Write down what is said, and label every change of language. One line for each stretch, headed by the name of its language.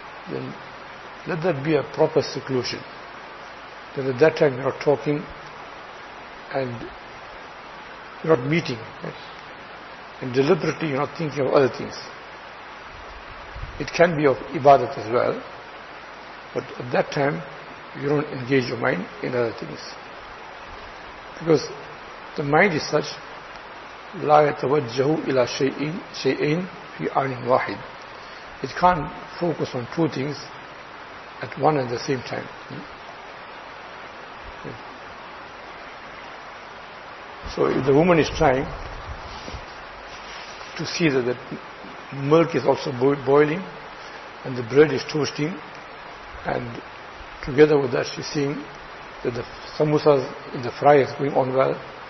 English: Then let that be a proper seclusion. Then at that time you're not talking and you're not meeting, right? And deliberately you're not thinking of other things. It can be of ibadat as well. But at that time, you don't engage your mind in other things. Because the mind is such,
Arabic: لا يتوجه إلى شيئين في آن واحد.
English: It can't focus on two things at one and the same time. So if the woman is trying to see that the milk is also boiling and the bread is toasting, and together with that she's seeing that the samosas in the fry is going on well.